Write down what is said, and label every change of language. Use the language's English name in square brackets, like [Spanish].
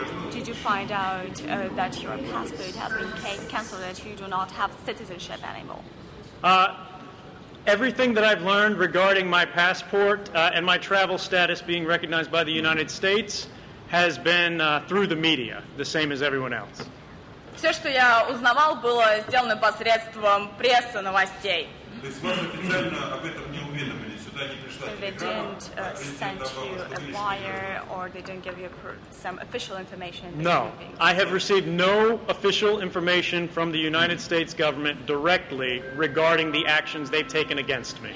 [English] Did you find out that your passport has been canceled, that you do not have citizenship anymore? Everything that I've learned regarding my passport and my travel status being recognized by the United States has been through the media, the same as everyone else. [Russian] Все, что я узнавал, было сделано посредством прессы, новостей. [English] They didn't send you a flyer, or they didn't give you some official information. No, I have received no official information from the United States government directly regarding the actions they've taken against me.